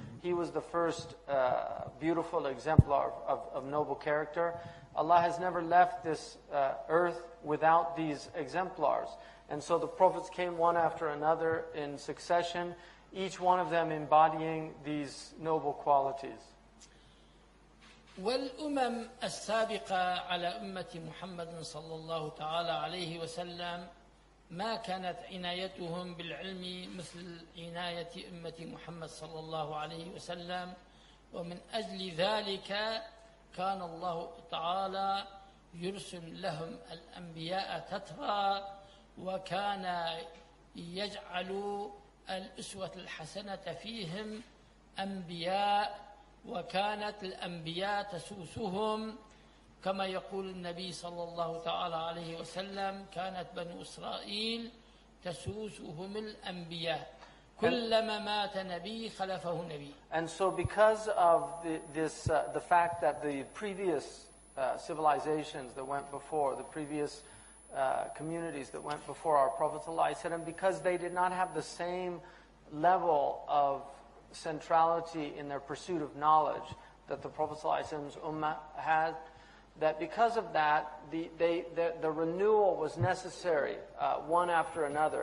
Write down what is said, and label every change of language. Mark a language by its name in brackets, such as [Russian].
[English] He was the first beautiful exemplar of noble character. Allah has never left this earth without these exemplars. And so the prophets came one after another in succession, each one of them embodying these noble qualities. [Arabic] والأمم السابقة على أمة محمد صلى الله تعالى عليه وسلم ما كانت عنايتهم بالعلم مثل عناية أمة محمد صلى الله عليه وسلم ومن أجل ذلك كان الله تعالى يرسل لهم الأنبياء تترى وكان يجعل الأسوة الحسنة فيهم أنبياء وكانت الأنبياء تسوسهم كما يقول النبي صلى الله تعالى عليه وسلم كانت بنو إسرائيل تسوسهم الأنبياء كلما مات نبي خلفه نبي. [English] And so because of the fact that the previous civilizations that went before, the previous communities that went before our Prophet ﷺ, because they did not have the same level of centrality in their pursuit of knowledge that the Prophet ﷺ's ummah had, that because of that, the renewal was necessary one after another.